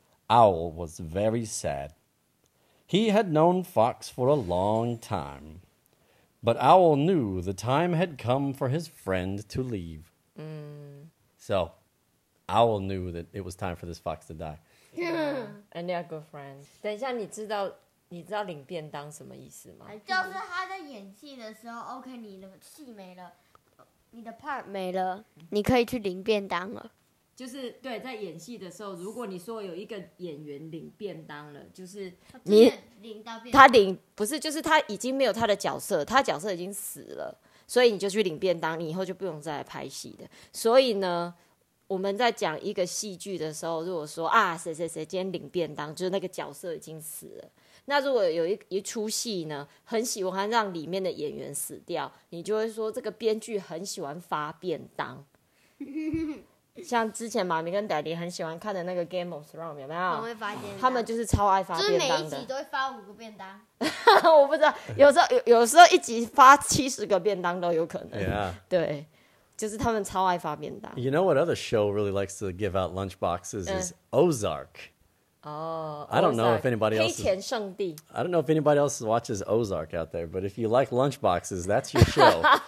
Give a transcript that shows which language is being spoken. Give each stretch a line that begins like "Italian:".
English: Owl was very sad. He had known Fox for a long time. But Owl knew the time had come for his friend to leave. So, Owl knew that it was time for this fox to die. Yeah. And they are good friends.
Chinese: 等一下你知道... 你知道領便當什麼意思嗎? 就是他在演戲的時候 OK 你的戲沒了 你的part沒了 你可以去領便當了就是對在演戲的時候 如果你說有一個演員領便當了 就是你他領便當不是就是他已經沒有他的角色 他角色已經死了 所以你就去領便當 你以後就不用再來拍戲的 所以呢 我們在講一個戲劇的時候 如果說啊 誰誰誰今天領便當 就是那個角色已經死了 那如果有一出戲呢，很喜歡讓裡面的演員死掉，你就會說這個編劇很喜歡發便當。像之前媽咪跟Daddy很喜歡看的那個Game of Thrones，有沒有？他們就是超愛發便當。就是每一集都會發5個便當。我不知道，有時候一集發70個便當都有可能。對，就是他們超愛發便當。
English: You know what other show really likes to give out lunch boxes is Ozark. Oh, I don't know if anybody else. 黑田圣地. I don't know if anybody else watches Ozark out there, but if you like lunchboxes, that's your show.